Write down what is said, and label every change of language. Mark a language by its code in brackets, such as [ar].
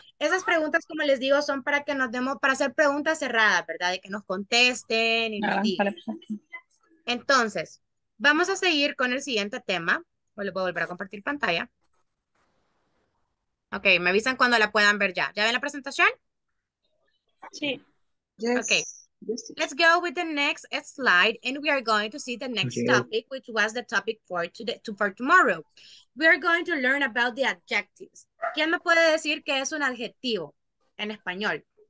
[es] Esas preguntas, como les digo, son para que nos demos, para hacer preguntas cerradas, ¿verdad? De que nos contesten y nos digan. Entonces, vamos a seguir con el siguiente tema. Voy a volver a compartir pantalla. Ok, me avisan cuando la puedan ver ya. ¿Ya ven la presentación? Sí. [en] Yes. Okay. Let's go with the next slide, and we are going to see the next topic, which was the topic for today, for tomorrow. We are going to learn about the adjectives. [es] ¿Quién me puede decir qué es un adjetivo en español?